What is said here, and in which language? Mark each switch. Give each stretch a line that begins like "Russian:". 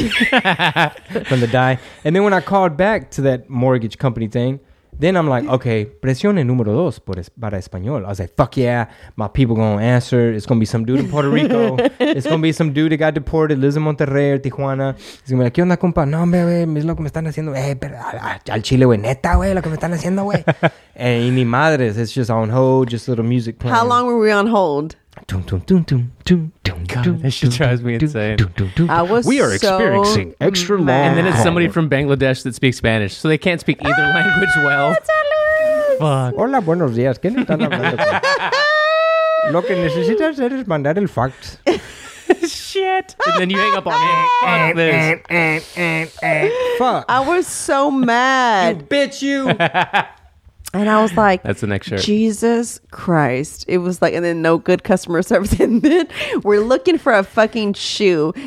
English: from the die. And then when I called back to that mortgage company thing, then I'm like, okay,
Spanish: presione número dos para español.
English: I was like, fuck yeah, my people going to answer. It's going to be some dude in Puerto Rico. It's going to be some dude that got deported, lives in Monterrey or Tijuana. He's going to be like,
Spanish: ¿qué onda, compa? No, bebé, es lo que me están haciendo. Pero al chile, güey, neta, güey, lo que me están haciendo, güey. Y mi madre,
English: it's just on hold, just a little music playing. How long were we on hold? Doom, doom, doom, doom, doom, doom, God, doom, that shit drives me insane. Doom, doom, doom, doom. We are experiencing so extra long. And then it's somebody from Bangladesh that speaks Spanish, so they can't speak either language well. Fuck.
Spanish: Hola, buenos días. ¿Quién están hablando? Lo que necesitas es mandar el fax.
English: Shit. And then you hang up on me. Fuck this. Fuck. I was so mad. You bitch, you. And I was like, that's the next shirt. Jesus Christ. It was like, and then no good customer service. And then we're looking for a fucking shoe.